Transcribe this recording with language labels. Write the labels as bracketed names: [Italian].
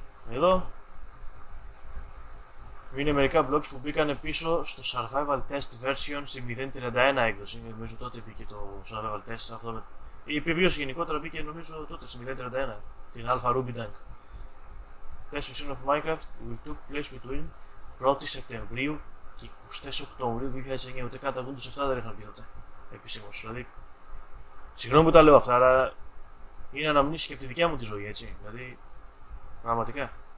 [Greek] Εδώ είναι μερικά blocks που μπήκαν πίσω στο Survival Test Version στη 0.31 έκδοση. Νομίζω τότε μπήκε το Survival Test, αυτό με... Η επιβίωση γενικότερα μπήκε νομίζω τότε στη 0.31, την Alpha Ruby Tank. [English] Test version of Minecraft will took place between [Greek] 1η Σεπτεμβρίου και 24 Οκτωβρίου 2009. Ούτε καν τα Windows 7 δεν είχαν πει τότε επίσημως. Δηλαδή, συγγνώμη που τα λέω αυτά, αλλά είναι αναμνήσεις και από τη δικιά μου τη ζωή, έτσι. Δηλαδή, πραγματικά.